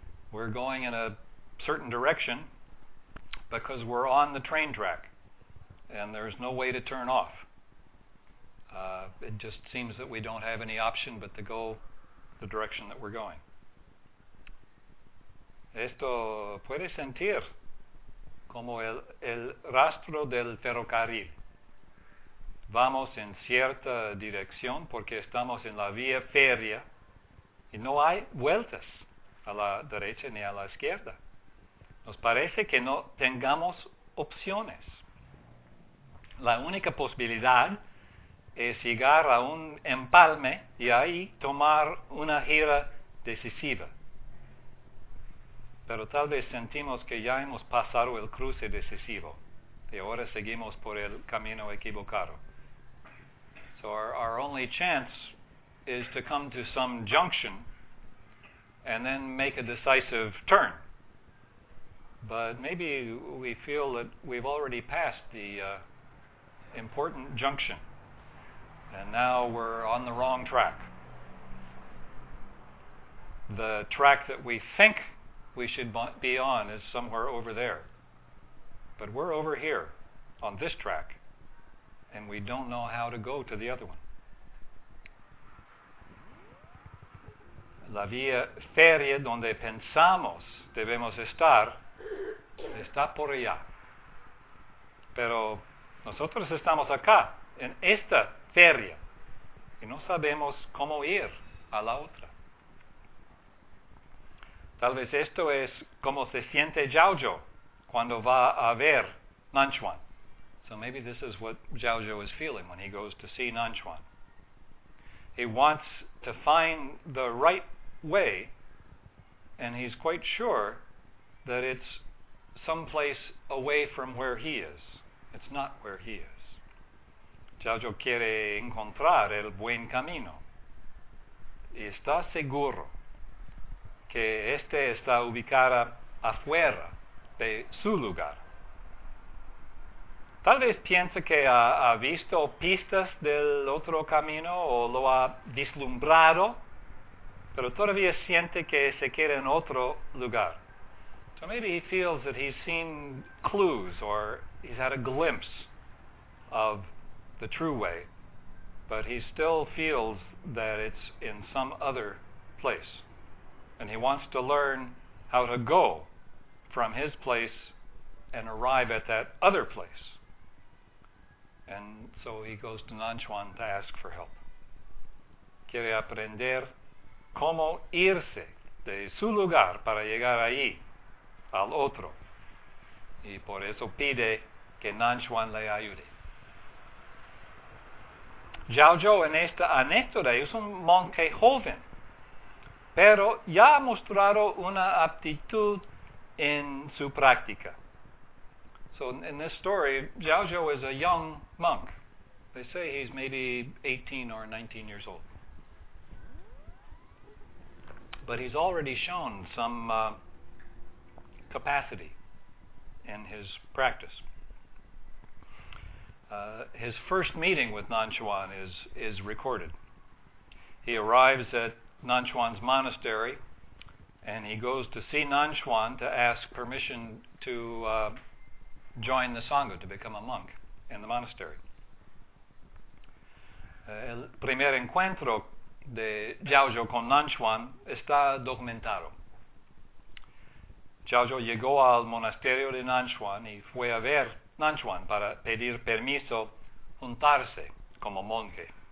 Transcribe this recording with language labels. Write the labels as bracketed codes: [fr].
[en] We're going in a certain direction because we're on the train track and there's no way to turn off. It just seems that we don't have any option but to go the direction that we're going. [es] Esto puede sentir como el rastro del ferrocarril. Vamos en cierta dirección porque estamos en la vía férrea y no hay vueltas a la derecha ni a la izquierda. Nos parece que no tengamos opciones. La única posibilidad es llegar a un empalme y ahí tomar una gira decisiva. Pero tal vez sentimos que ya hemos pasado el cruce decisivo y ahora seguimos por el camino equivocado. [en] So our only chance is to come to some junction and then make a decisive turn. But maybe we feel that we've already passed the important junction. And now we're on the wrong track. The track that we think we should be on is somewhere over there. But we're over here, on this track, and we don't know how to go to the other one. [es] La vía férrea donde pensamos debemos estar está por allá. Pero nosotros estamos acá, en esta férrea. Y no sabemos cómo ir a la otra. Tal vez esto es como se siente Zhaozhou cuando va a ver Nanchuan. [en] So maybe this is what Zhaozhou is feeling when he goes to see Nanchuan. He wants to find the right way, and he's quite sure that it's someplace away from where he is. It's not where he is. [es] Zhaozhou quiere encontrar el buen camino. Y está seguro que este está ubicado afuera de su lugar. Tal vez piensa que ha visto pistas del otro camino o lo ha vislumbrado, pero todavía siente que se queda en otro lugar. [en] So maybe he feels that he's seen clues or he's had a glimpse of the true way, but he still feels that it's in some other place. And he wants to learn how to go from his place and arrive at that other place. And so he goes to Nanchuan to ask for help. [es] quiere aprender cómo irse de su lugar para llegar ahí, al otro. Y por eso pide que Nanchuan le ayude. Zhao Zhou en esta anécdota es un monje joven, pero ya ha mostrado una aptitud en su práctica. [en] So in this story, Zhao Zhou is a young monk. They say he's maybe 18 or 19 years old. But he's already shown some capacity in his practice. His first meeting with Nanchuan is recorded. He arrives at Nanchuan's monastery, and he goes to see Nanchuan to ask permission to join the Sangha, to become a monk in the monastery. [es] El primer encuentro de Zhao Zhou con Nanchuan está documentado. Zhao Zhou llegó al monasterio de Nanchuan y fue a ver Nanchuan para pedir permiso juntarse como monje.